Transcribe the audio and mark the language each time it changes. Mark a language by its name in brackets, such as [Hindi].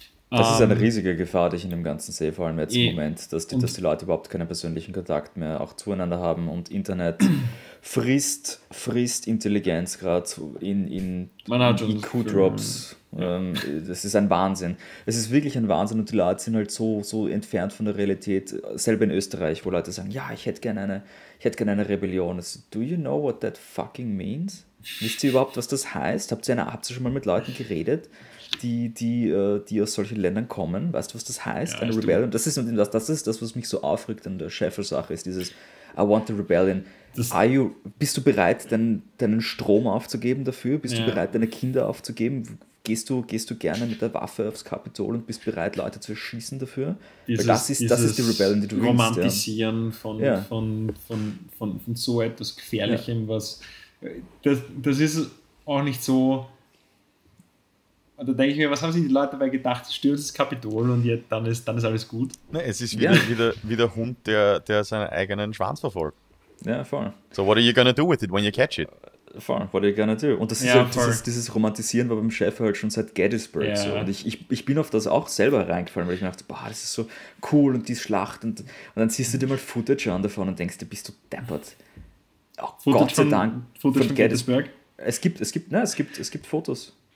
[German] Das ist eine riesige Gefahr, die ich in dem Ganzen sehe, vor allem jetzt im Moment, dass die Leute überhaupt keinen persönlichen Kontakt mehr auch zueinander haben und Internet frisst Intelligenz gerade in IQ-Drops. Das ist ein Wahnsinn. Es ist wirklich ein Wahnsinn und die Leute sind halt so entfernt von der Realität, selber in Österreich, wo Leute sagen, ja, ich hätte gerne eine Rebellion. [English] So, do you know what that fucking means? [German] Wisst ihr überhaupt, was das heißt? Habt ihr schon mal mit Leuten geredet, die aus solchen Ländern kommen? Weißt du, was das heißt? Ja, eine Rebellion? Das ist das, was mich so aufregt an der Scheffel-Sache, ist dieses [English] I want the Rebellion. [German] Bist du bereit, deinen Strom aufzugeben dafür? Bist du bereit, deine Kinder aufzugeben? Gehst du gerne mit der Waffe aufs Kapitol und bist bereit, Leute zu erschießen dafür? Das ist die Rebellion, die du willst. Romantisieren von so etwas Gefährlichem, das ist auch nicht so. Da denke ich mir, was haben sich die Leute dabei gedacht? Stürzt das Kapitol und jetzt, dann ist alles gut. Nee, es ist wie der Hund, der seinen eigenen Schwanz verfolgt. Ja, voll. [English] So, what are you gonna do with it when you catch it? Voll, what are you gonna do? [German] Und das ist halt dieses Romantisieren war beim Chef halt schon seit Gettysburg. [English] Yeah. So. [German] Und ich bin auf das auch selber reingefallen, weil ich mir dachte, boah, das ist so cool und die Schlacht. Und dann siehst du dir mal Footage an davon und denkst, bist du deppert. Oh, Gott sei Dank. Footage von Gettysburg? Es gibt Fotos.